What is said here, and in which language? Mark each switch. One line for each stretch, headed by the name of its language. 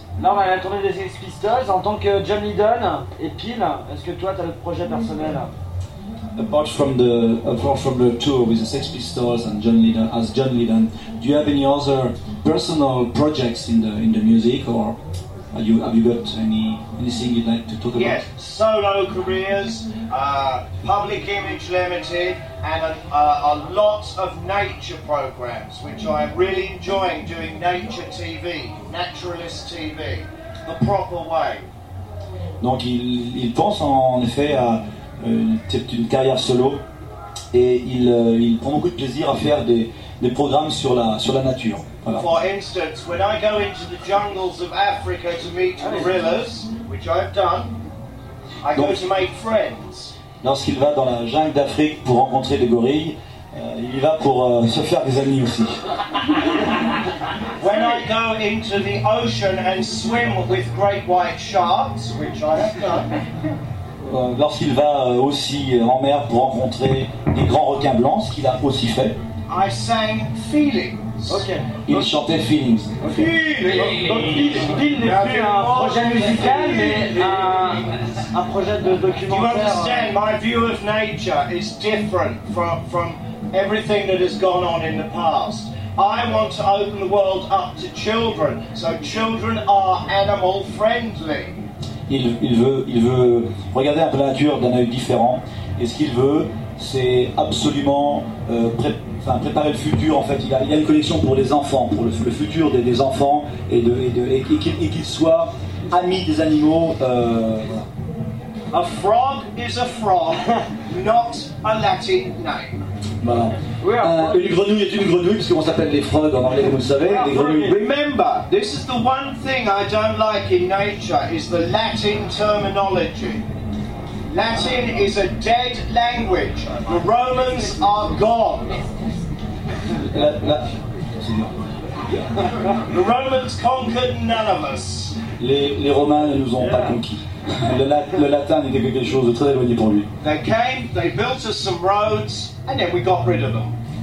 French: Non, mais la tournée des Sex Pistols, en tant que John Lydon et Peel, est-ce que toi, t'as le projet personnel?
English: Apart from the tour with the Sex Pistols and John Lydon, as John Lydon, do you have any other personal projects in the music, or have you got anything you'd like to talk about? Yes, solo careers, Public Image Limited, and a lot of nature programs, which I am really enjoying doing. Nature TV, naturalist TV, the proper way.
French: Donc il pense en effet à une carrière solo, et il prend beaucoup de plaisir à faire des programmes sur la nature. Voilà.
English: For instance, when I go into the jungles of Africa to meet gorillas, which I've done, I go to make friends.
French: Lorsqu'il va dans la jungle d'Afrique pour rencontrer des gorilles, il va pour se faire des amis aussi.
English: When I go into the ocean and swim with great white sharks, which I have done.
French: Lorsqu'il va aussi en mer pour rencontrer des grands requins blancs, ce qu'il a aussi fait.
English: I sang feelings. Okay.
French: Il chantait Feelings.
English: Feelings.
French: Donc, Phil n'est plus un projet musical, mais un projet de documentaire.
English: You understand, my view of nature is different from everything that has gone on in the past. I want to open the world up to children, so children are animal friendly.
French: Il veut regarder un peu la nature d'un œil différent, et ce qu'il veut, c'est absolument préparer le futur. En fait, il a une collection pour les enfants, pour le futur des enfants, et qu'ils soient amis des animaux.
English: A frog is a frog, not a Latin name.
French: Voilà. Une grenouille est une grenouille, parce qu'on s'appelle les frogs en anglais, vous le savez, les grenouilles.
English: Remember, this is the one thing I don't like in nature, is the Latin terminology. Latin is a dead language. The Romans are gone. The Romans conquered none of us.
French: Les Romains ne nous ont pas conquis. Le latin était quelque chose de très éloigné pour lui.
English: They came, they built us some roads, and then we got rid of them.